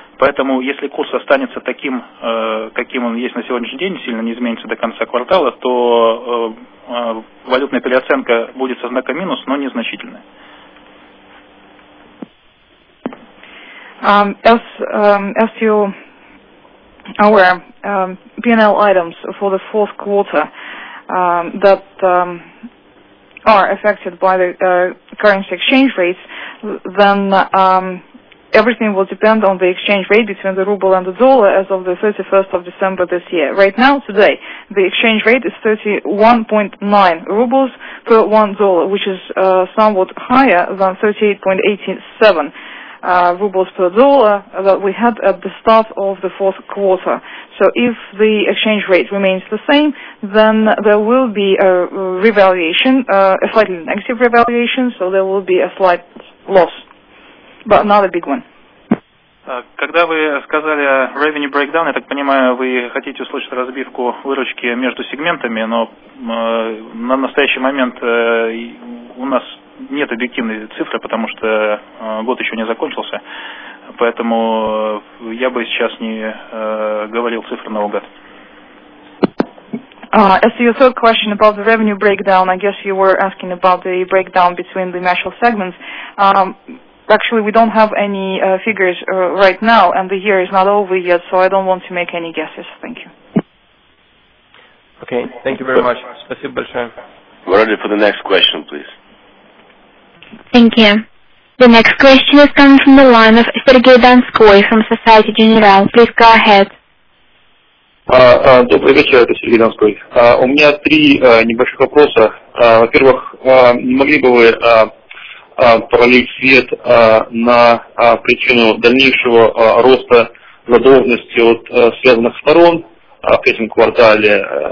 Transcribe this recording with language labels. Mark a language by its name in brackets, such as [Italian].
[Russian] Поэтому если курс останется таким, каким он есть на сегодняшний день, сильно не изменится до конца квартала, то валютная переоценка будет со знаком минус, но незначительная. [English] As you are aware, P&L items for the fourth quarter that are affected by the currency exchange rates, then everything will depend on the exchange rate between the ruble and the dollar as of the 31st of December this year. Right now, today, the exchange rate is 31.9 rubles per $1, which is somewhat higher than 38.87 rubles per dollar that we had at the start of the fourth quarter. So if the exchange rate remains the same, then there will be a revaluation, a slightly negative revaluation, so there will be a slight loss, but not a big one. [Russian] Когда вы сказали [English] revenue breakdown, [Russian] я так понимаю, вы хотите услышать разбивку выручки между сегментами, но на настоящий момент у нас нет объективной цифры, потому что год еще не закончился, поэтому я бы сейчас не говорил цифры наугад. [English] As to your third question about the revenue breakdown, I guess you were asking about the breakdown between the national segments. Actually, we don't have any figures right now, and the year is not over yet, so I don't want to make any guesses. Thank you. Okay, thank you very much. [Russian] Спасибо большое. [English] We're ready for the next question, please. Thank you. The next question is coming from the line of Sergei Donskoy from Societe Generale. Please go ahead. [Russian] Добрый вечер, это Сергей Донской. У меня три небольших вопроса. Во-первых, не могли бы вы пролить свет на причину дальнейшего роста задолженности от связанных сторон в третьем квартале?